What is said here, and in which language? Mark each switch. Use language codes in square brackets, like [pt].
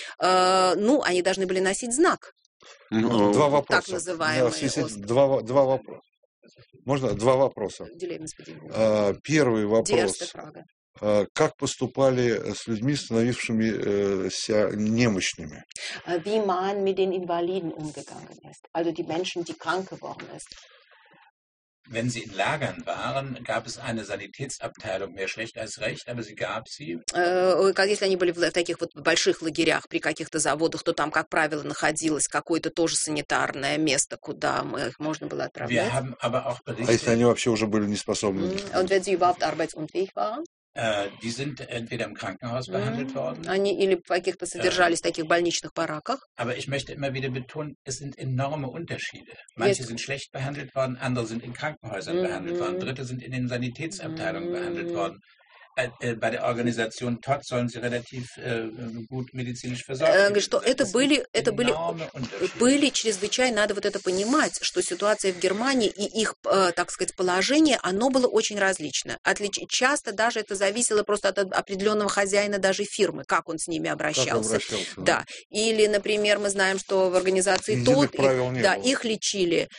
[ru] Ну, они должны были носить знак. Два вопроса. Так называемые. Два вопроса. Можно? Два вопроса. Первый вопрос. Как поступали с людьми, становившимися немощными? [de] Wie man mit den Invaliden umgegangen ist, also die Menschen, die krank geworden sind. Wenn sie in Lagern waren, gab es eine Sanitätsabteilung, mehr schlecht als recht, aber sie gab sie. [ru] Если они были в таких вот больших лагерях, при каких-то заводах, то там, как правило, находилось какое-то тоже санитарное место, куда их можно было отправлять. [de] Wir haben aber auch berichtet, [ru] а если они вообще уже были неспособны? [de] Und wenn sie überhaupt arbeitsunfähig waren? Die sind entweder im Krankenhaus behandelt worden. Они или в каких-то содержались в таких больничных бараках. Aber ich möchte immer wieder betonen, es sind enorme Unterschiede. Manche sind schlecht behandelt worden, andere sind in Krankenhäusern behandelt worden, dritte sind in den Sanitätsabteilungen behandelt worden. Bei der Organisation TOT sollen sie relativ gut medizinisch versorgt werden. [ru] Это были чрезвычайно, надо вот это понимать, что ситуация в Германии и их, так сказать, положение, оно было очень различное. Часто даже это зависело просто от определенного хозяина даже фирмы, как он с ними обращался. Да. Или, например, мы знаем, что в организации TOT их лечили.